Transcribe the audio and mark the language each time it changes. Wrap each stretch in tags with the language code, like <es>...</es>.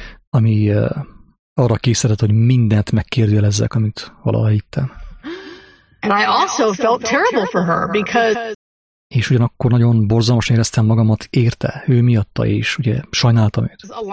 <hu>Ami arra készített, hogy mindent megkérdőjelezzek, amit valaha hittem.</hu> <en>And I also felt terrible for her, because</en> <hu>és ugyanakkor nagyon borzalmasan éreztem magamat érte, ő miatta, és ugye sajnáltam őt.</hu>